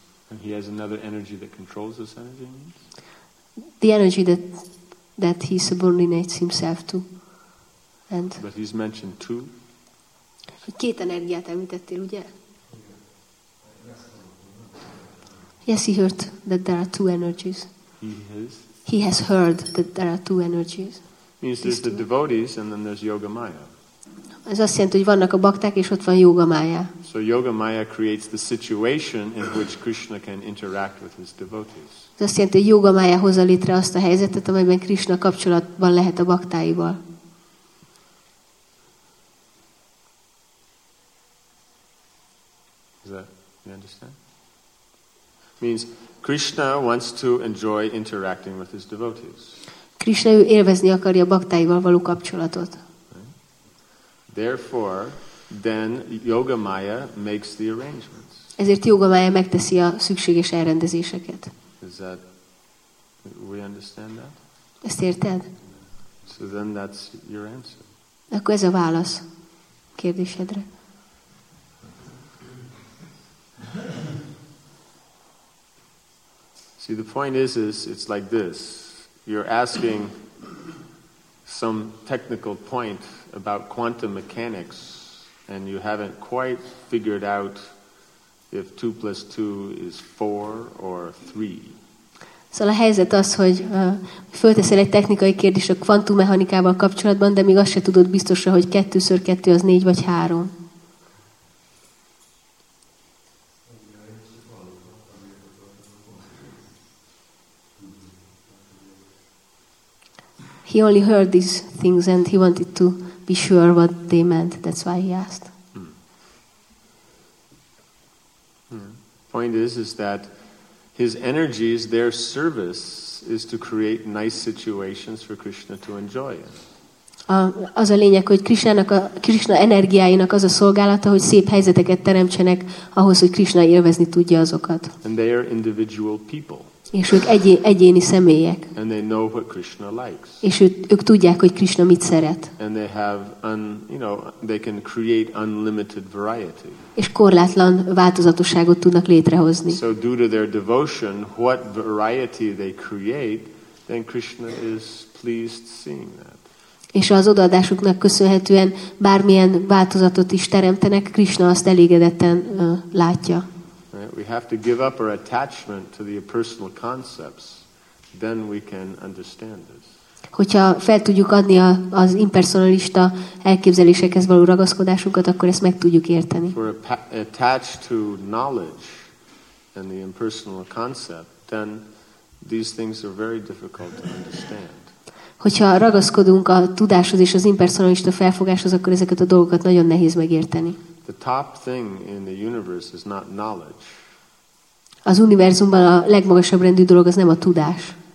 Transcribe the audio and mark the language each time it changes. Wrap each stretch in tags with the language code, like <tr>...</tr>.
<en>And he has another energy that controls this energy? The energy that he subordinates himself to. And but he's mentioned two.</en> <hu>Hogy két energiát említettél, ugye?</hu> <en>Yes, he heard that there are two energies. He has heard that there are two energies. Means there's the devotees and then there's yoga maya.</en> <hu>Ez azt jelenti, hogy vannak a bakták és ott van yoga maya.</hu> <en>So yoga maya creates the situation in which Krishna can interact with his devotees.</en> <hu>Ez azt jelenti, hogy yoga maya hozza létre azt a helyzetet, amelyben Krishna kapcsolatban lehet a baktáival.</hu> <en>Is that, you understand? Means Krishna wants to enjoy interacting with his devotees.</en> <hu>Krishna ő élvezni akarja a baktáival való kapcsolatot.</hu> <en>Therefore, then yoga maya makes the arrangements.</en> <hu>Ezért yoga maya megteszi a szükséges elrendezéseket.</hu> <en>Is that, we understand that?</en> <hu>Ezt érted?</hu> <en>So then that's your answer.</en> <hu>Akkor ez a válasz kérdésedre.</hu> <en>See, the point is it's like this. You're asking some technical point about quantum mechanics and you haven't quite figured out if 2 plus 2 is 4 or 3.</en> <hu>Szóval a helyzet az, hogy fölteszel egy technikai kérdést a kvantummechanikával kapcsolatban, de még azt se tudod biztosra, hogy 2×2 az 4 vagy 3.</hu> <en>He only heard these things and he wanted to be sure what they meant. That's why he asked. Point is that his energies, their service is to create nice situations for Krishna to enjoy it.</en> <hu>Az a lényeg, hogy Krishna energiáinak az a szolgálata, hogy szép helyzeteket teremtsenek ahhoz, hogy Krishna élvezni tudja azokat.</hu> <en>And they are individual people.</en> <hu>És ők egyéni személyek.</hu> <en>And they know what Krishna likes.</en> <hu>És ők tudják, hogy Krishna mit szeret.</hu> <en>And they have they can create unlimited variety.</en> <hu>És korlátlan változatosságot tudnak létrehozni.</hu> <en>So due to their devotion, what variety they create, then Krishna is pleased seeing that.</en> <hu>És az odaadásuknak köszönhetően bármilyen változatot is teremtenek, Krishna azt elégedetten látja.</hu> <en>We have to give up our attachment to the personal concepts, then we can understand this.</en> <hu>Hogyha fel tudjuk adni az impersonalista elképzelésekhez való ragaszkodásunkat, akkor ezt meg tudjuk érteni.</hu> <en>If we're attached to knowledge and the impersonal concept, then these things are very difficult to understand.</en> <hu>Hogyha ragaszkodunk a tudáshoz és az impersonalista felfogáshoz, akkor ezeket a dolgokat nagyon nehéz megérteni.</hu> <en>The top thing in the universe is not knowledge.</en> <hu>Az univerzumban a legmagasabb rendű dolog az nem a tudás.</hu>